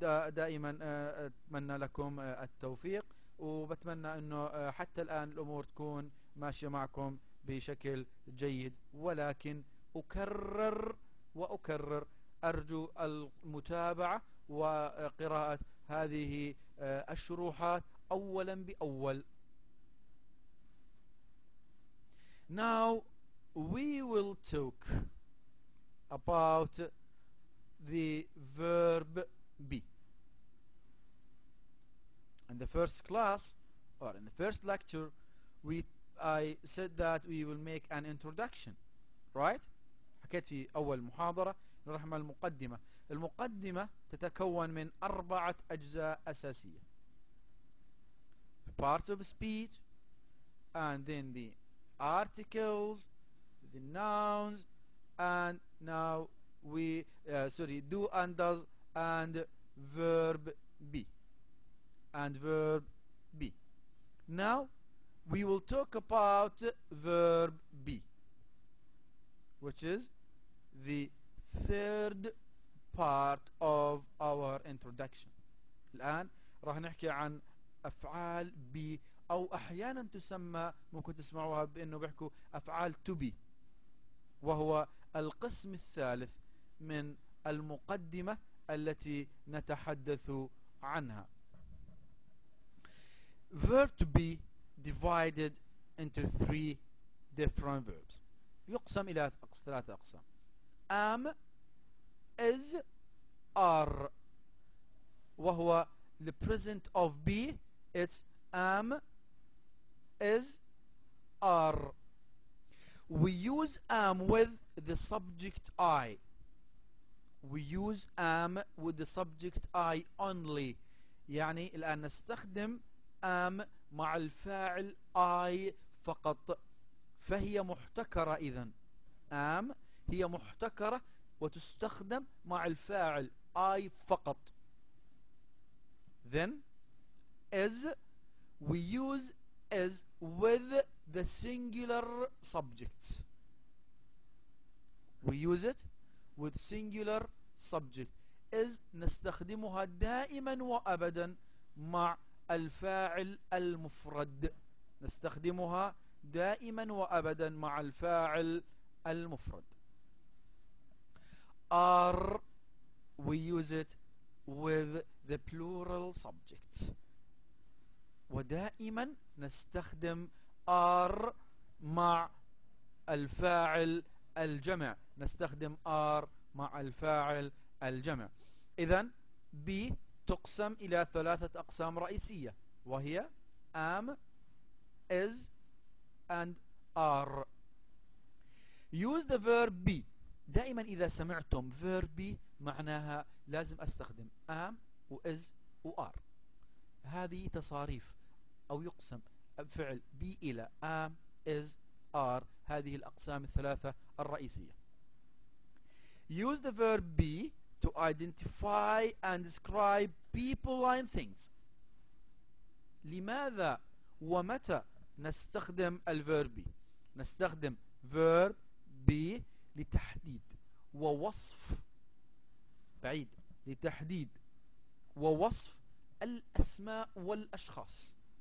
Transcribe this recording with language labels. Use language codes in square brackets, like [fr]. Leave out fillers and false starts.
[ar] دائما أتمنى لكم التوفيق، وبتمنى أنه حتى الآن الأمور تكون ماشية معكم بشكل جيد، ولكن أكرر وأكرر أرجو المتابعة وقراءة هذه الشروحات أولا بأول. [en] Now we will talk about the verb be. In the first class, or in the first lecture, I said that we will make an introduction, right? [ar] حكيت في أول محاضرة نروح مع المقدمة. المقدمة تتكون من أربعة أجزاء أساسية: [en] parts of speech, and then the articles, the nouns, and now we do and does and verb be. And verb be. Now we will talk about verb be, which is the third part of our introduction. [ar] الآن راح نحكي عن أفعال be، أو أحيانا تسمى، ممكن تسمعوها بأنه بيحكوا أفعال to be، وهو القسم الثالث من المقدمة التي نتحدث عنها. [en] Verb to be divided into three different verbs. [ar] يقسم إلى ثلاثة أقسام: am, is, are. [en] وهو the present of be, it's am, is, are. We use am with the subject I. We use am with the subject I only. [ar] يعني الآن نستخدم am مع الفاعل I فقط، فهي محتكرة. إذن am هي محتكرة وتستخدم مع الفاعل I فقط. [en] Then is, we use is with the singular subject. We use it with singular subject. [ar] Is نستخدمها دائما وأبدا مع الفاعل المفرد. نستخدمها دائما وأبدا مع الفاعل المفرد. [en] Are, we use it with the plural subject. [ar] ودائما نستخدم are مع الفاعل الجمع. نستخدم are مع الفاعل الجمع. إذن be تقسم إلى ثلاثة أقسام رئيسية، وهي am, is, and are. [en] Use the verb be. [ar] دائما إذا سمعتم verb be معناها لازم أستخدم am و is و are. هذه تصاريف أو يقسم فعل be إلى am, is, are، هذه الأقسام الثلاثة الرئيسية. [en] Use the verb be to identify and describe people and things. [ar] لماذا ومتى نستخدم الverb be؟ نستخدم verb be لتحديد ووصف، بعيد، لتحديد ووصف الأسماء والأشخاص.